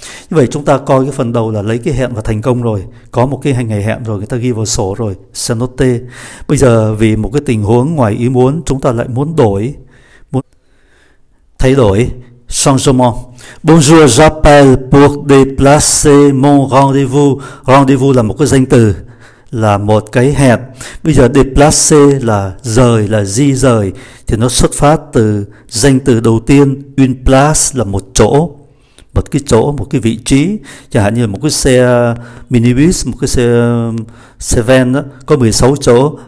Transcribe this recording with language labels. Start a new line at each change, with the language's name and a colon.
Vietnamese: Như vậy chúng ta coi cái phần đầu là lấy cái hẹn và thành công rồi. Có một cái ngày hẹn rồi, người ta ghi vào sổ rồi.
French: C'est noté.
Vietnamese: Bây giờ vì một cái tình huống ngoài ý muốn, chúng ta lại muốn đổi, muốn thay đổi.
French: Changement. Bonjour, j'appelle pour déplacer mon rendez-vous.
Vietnamese: Rendez-vous là một cái danh từ, là một cái hẹn. Bây giờ déplacer là rời, là di rời, thì nó xuất phát từ danh từ đầu tiên. Une place là một chỗ, một cái chỗ, một cái vị trí. Chẳng hạn như một cái xe minibus, một cái xe van đó, có 16 chỗ.